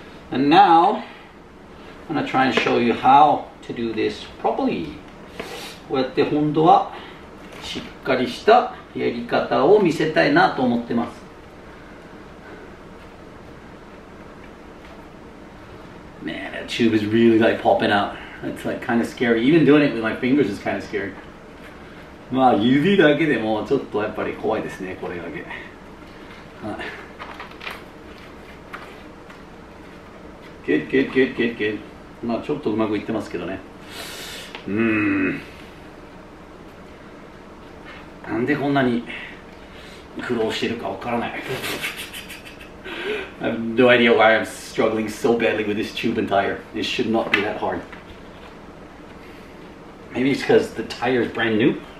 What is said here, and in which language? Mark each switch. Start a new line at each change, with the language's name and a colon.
English: And now,I'm gonna try and show you how to do this properly.
Japanese: こうやって本当はしっかりしたやり方を見せたいなと思ってます。
English: Man, that tube is really like popping out. It's like kind of scary. Even doing it with my fingers is kind of scary.
Japanese: まあ指だけでもちょっとやっぱり怖いですね、これだけ。
English: Good.
Japanese: まあちょっとうまくいってますけどね。なんでこんなに苦労してるかわからない。
English: I have no idea why I'm struggling so badly with this tube and tire. It should not be that hard. Maybe it's because the tire is brand new.